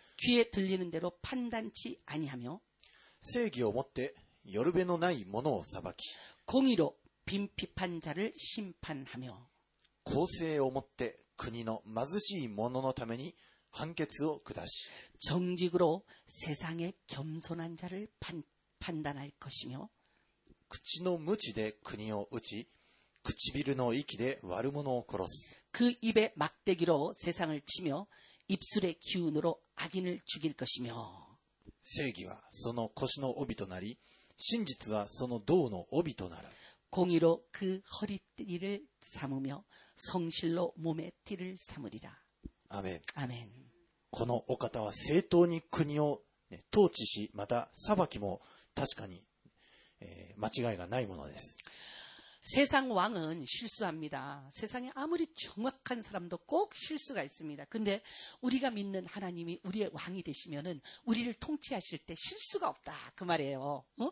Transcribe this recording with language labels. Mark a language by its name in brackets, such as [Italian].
[Korean] 귀에 들리는 대로 판단치 아니하며 [Japanese] 正義をもって寄る辺のないものを裁き [Korean] 공의로 빈핍한 자를 심판하며 [Japanese] 公正をもって国の貧しい者のために判決を下し [Korean] 정직으로 세상의 겸손한 자를 판단할 것이며 [Japanese] 口の無知で国を打ち 唇の息で悪者を殺す [Korean] 그 입에 막대기로 세상을 치며 입술의 기운으로 악인을 죽일 것이며 [Japanese] 正義はその腰の帯となり真実はその胴の帯となる [Korean] 공의로 그 허리띠를 삼으며 성실로 몸의 띠를 삼으리라. 아멘. 아멘. [Japanese] このお方は正当に国を統治しまた裁きも確かに間違いがないものです。 [Korean] 세상왕은실수합니다세상에아무리정확한사람도꼭실수가있습니다근데우리가믿는하나님이우리의왕이되시면은우리를통치하실때실수가없다그말이에요